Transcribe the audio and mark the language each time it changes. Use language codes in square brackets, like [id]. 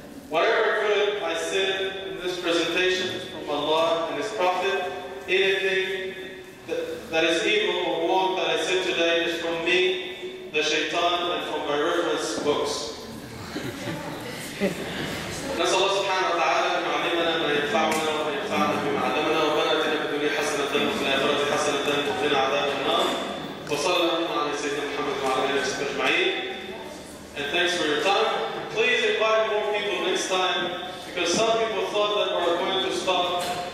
[en] Whatever good I said in this presentation from Allah and His Prophet, anything that is evil or wrong that I said today is from me, the shaitan, and from my reference books. [ar] نسأل الله سبحانه وتعالى أن يعلمنا ما ينفعنا وما ينفعنا بما علمنا ربنا آتنا في الدنيا حسنة وفي الآخرة حسنة وقنا عذاب النار وصلى الله على سيدنا محمد وعلى آله وصحبه أجمعين. [en] And thanks for your time. Please invite more people next time because some people thought that we were going to stop.